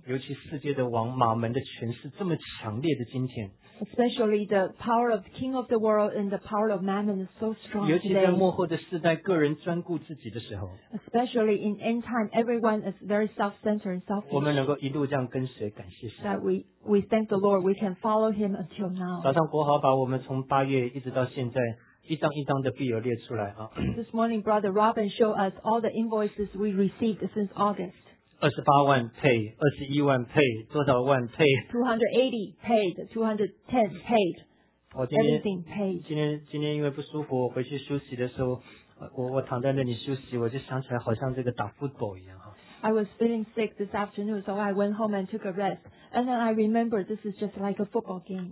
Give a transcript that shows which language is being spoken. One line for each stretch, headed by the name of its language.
Chinese: 尤其世界的王马门的权势这么强烈的今天。
English: Especially the power of the king of the world and the power of mammon is so strong today.
Chinese: 尤其在末后的世代个人专顾自己的时候。
English: Especially in end time, everyone is very self-centered and selfish.
Chinese: 我们能够一路这样跟随感谢神。
English: That we thank the Lord, we can follow him until now.
Chinese: 早上国豪把我们从八月一直到现在一张一张的必有列出来啊。
English: This morning, Brother Robin showed us all the invoices we received since August.
Chinese: 28万 paid, 21万 paid, 多少万 paid?
English: 280 paid, 210 paid, everything paid.
Chinese: 今天因为不舒服，我回去休息的时候，我躺在那里休息，我就想起来好像这个打 football 一样啊。
English: I was feeling sick this afternoon, so I went home and took a rest. And then I remember this is just like a football game.